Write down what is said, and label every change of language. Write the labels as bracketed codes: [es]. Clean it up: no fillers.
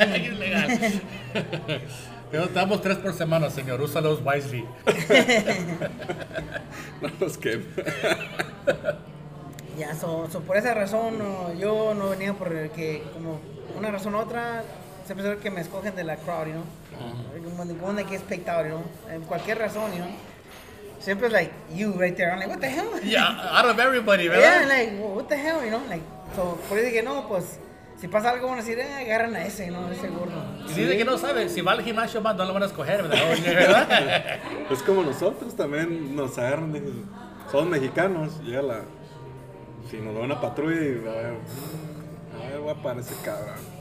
[es] Aquí es legal. Nos damos tres por semana, señor. Úsalos wisely. No los quemo. Ya, so por esa razón, yo no venía por el que, como una razón u otra, siempre es que me escogen de la crowd, ¿no? Como de que espectador, ¿no? En cualquier razón, ¿no? Siempre es [en] like, you right there. I'm like, what the hell? Yeah, out of everybody, ¿verdad? Yeah, like, well, what the hell, you know? [es] Like, so, por eso dije, no, pues, si pasa algo, van a decir, agarran a ese, ¿no? Ese gordo. Y dice que no sabe, si va al gimnasio más, no lo van a escoger, ¿verdad? Es como nosotros también nos agarran, dicen, somos mexicanos, y la. Si nos da una patrulla y a ver, guapa, ese cabrón.